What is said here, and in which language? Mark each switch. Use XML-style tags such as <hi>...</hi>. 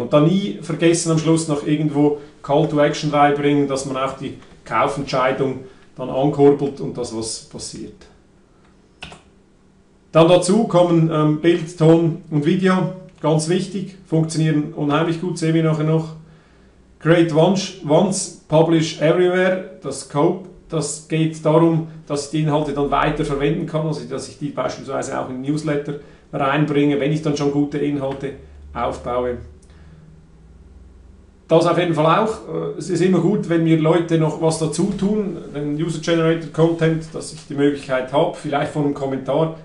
<de>Und dann nie vergessen, am Schluss noch irgendwo Call to Action reinbringen, dass man auch die Kaufentscheidung dann ankurbelt und das, was passiert. Dann dazu kommen Bild, Ton und Video. Ganz wichtig, funktionieren unheimlich gut, sehen wir nachher noch.</de> <en>Create once, publish everywhere.</en> <de>Das Scope, das geht darum, dass ich die Inhalte dann weiter verwenden kann, also dass ich die beispielsweise auch in Newsletter reinbringe, wenn ich dann schon gute Inhalte aufbaue. Das auf jeden Fall auch. Es ist immer gut, wenn mir Leute noch was dazu tun, den User-Generated Content, dass ich die Möglichkeit habe, vielleicht von einem Kommentar.</de>